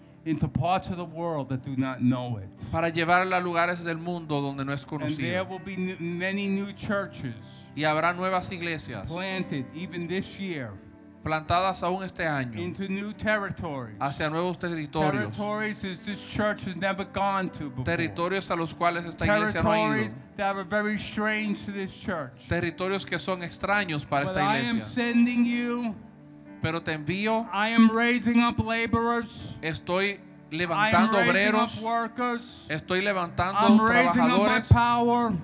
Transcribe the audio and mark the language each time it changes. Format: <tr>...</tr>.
<en>Into parts of the world that do not know it.</en> <es>Para llevarla a lugares del mundo donde no es conocida.</es> <en>And there will be many new churches.</en> <es>Y habrá nuevas iglesias.</es> <en>Planted even this year.</en> <es>plantadas aún este año,</es> <en>into new territories,</en> <es>hacia nuevos territorios.</es> <en>Territories is this church has never gone to before.</en> <es>Territorios a los cuales esta iglesia no ha ido.</es> <en>Territories that are very strange to this church.</en> <es>Territorios que son extraños para</es> <en>but</en> <es>esta iglesia.</es> <en>I am sending you.</en> <es>Pero te envío.</es> <en>I am raising up laborers.</en> <es>Estoy levantando obreros.</es> <en>Up workers.</en> <es>Estoy levantando</es> <en>I'm</en> <es>trabajadores.</es> <en>Up my power.</en>